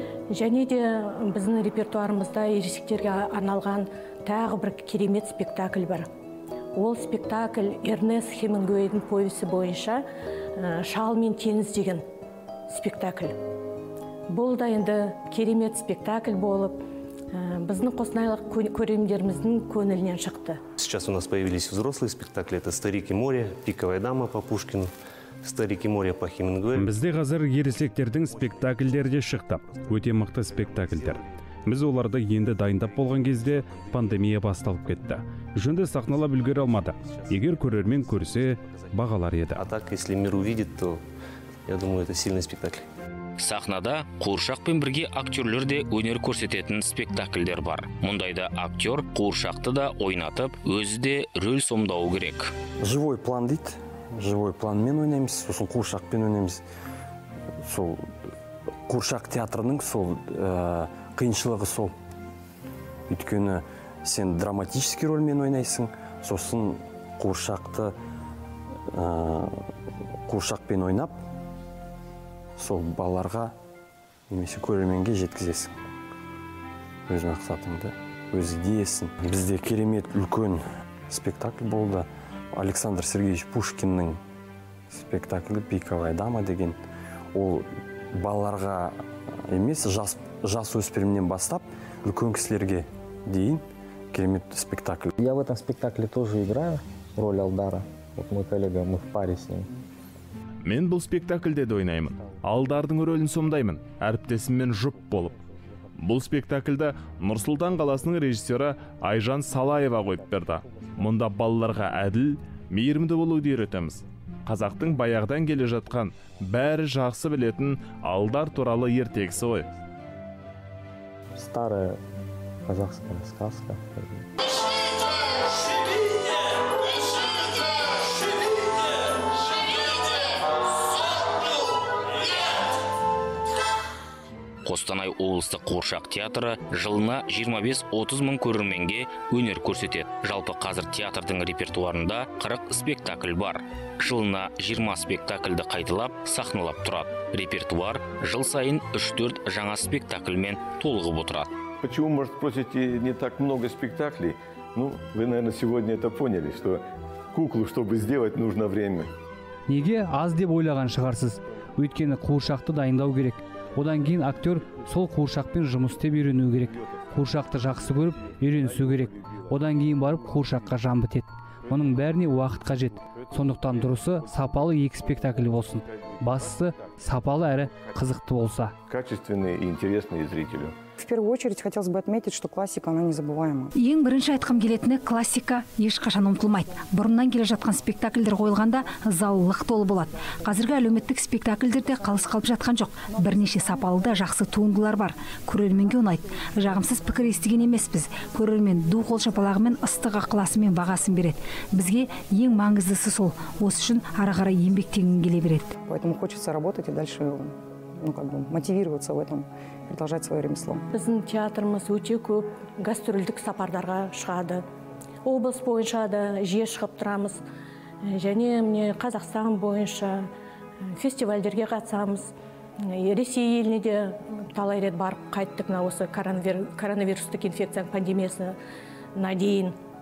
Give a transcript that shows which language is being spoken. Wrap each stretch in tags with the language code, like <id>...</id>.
<kk>Және де біздің репертуарымызда ересектерге арналған тағы бір керемет спектакль бар. Ол спектакль Эрнест Хемингуэйдің повесі бойынша «Шал мен теңіз» деген спектакль. Бұл да енді керемет спектакль болып, біздің қостанайлық көрермендеріміздің көңілінен шықты.</kk> <ru>Сейчас у нас появились взрослые спектакли. Это «Старик и море», «Пиковая дама» по Пушкину. «Старик и море» по Хемингуэй.</ru> <kk>Бізде қазір ересектердің спектакльдерде шықты. Өте мықты спектакльдер. Біз оларды енді дайындап болған кезде пандемия басталып кетті. Жүнді сахналап үлгере алмады. Егер көрермен көрсе, бағалар еді.</kk> <ru>А так, если мир увидит, то, я думаю, это сильный спектакль.</ru> <kk>Сахнада қуыршақпен бірге актерлер де өнер көрсететін спектакльдер бар. Мұндайда актер қуыршақты да ойнатып, өзі де рөл сомдауы керек. Живой план дейді. Живой планмен ойнаймыз, сосын қуыршақпен ойнаймыз. Сол қуыршақ театрының сол қиыншылығы сол. Өйткені сен драматический рөлмен ойнайсың, сосын қуыршақты қуыршақпен ойнап, сол балаларға немесе көрерменге жеткізесің. Өз мақсатыңды, өз идеясын. Бізде керемет үлкен спектакль болды. Александр Сергеевич Пушкиннің спектаклі «Пиковая дама» деген, ол балаларға емес, жас өспірімнен бастап, үлкен кісілерге дейін керемет спектакль.</kk> <ru>Я в этом спектакле тоже играю роль Алдара. Вот мой коллега, мы в паре с ним.</ru> <kk>Мен бұл спектакльде де ойнаймын. Алдардың рөлін сомдаймын, әріптесіммен жұп болып. Бұл спектакльді Нұрсұлтан қаласының режиссері Айжан Салаева қойып берді. Мұнда балаларға әділ, мейірімді болуды үйретеміз. Қазақтың баяғдан келе жатқан, бәрі жақсы білетін Алдар туралы ертегісі ғой.</kk> <ru>Старая казахская сказка.</ru> <kk>Қостанай облысы Қуыршақ театры жылына 25-30 мың көрерменге өнер көрсетеді. Жалпы қазір театрдың репертуарында 40 спектакль бар. Жылына 20 спектакльді қайталап, сахналап тұрады. Репертуар жыл сайын 3-4 жаңа спектакльмен толығып отырады.</kk> <ru>Почему, может, просите не так много спектаклей? Ну, вы, наверное, сегодня это поняли, что куклу, чтобы сделать, нужно время.</ru> <kk>Неге аз деп ойлаған шығарсыз? Өйткені Қуыршақты дайындау керек. Одан кейін актер сол қуыршақпен жұмыс істеп үйренуі керек. Қуыршақты жақсы көріп, үйренісу керек. Одан кейін барып қуыршаққа жан бітеді. Оның бәріне уақыт қажет. Сондықтан дұрысы сапалы екі спектакль болсын. Бастысы сапалы әрі қызықты болса.</kk> <ru>Качественный и интересный зрителю. В первую очередь хотелось бы отметить, что классика, она незабываема.</ru> <kk>Ең бірінші айтқым келетіні, классика ешқашан ұмытылмайды. Бұрыннан келе жатқан спектакльдер қойылғанда зал лық толы болады. Қазіргі әлеуметтік спектакльдерде қалыс қалып жатқан жоқ. Бірнеше сапалы да жақсы туындылар бар. Көрерменге ұнайды. Жағымсыз пікір естіген емеспіз. Көрермен ду қол шапалағымен ыстық ықыласымен бағасын береді. Бізге ең маңыздысы сол. Осы үшін ары қарай еңбектенгім келе береді.</kk> <ru>Поэтому хочется работать и дальше, ну, как бы мотивироваться в этом. Продолжать свое ремесло.</ru> <kk>Біздің театрымыз өте көп гастрольдік сапардарға шығады. Облыс бойынша да жиі шығып тұрамыз. Және мне Қазақстан бойынша фестивальдерге қатысамыз. Ресей еліне де талай рет барып қайттық, мына осы коронавирустық инфекция пандемиясына дейін.</kk>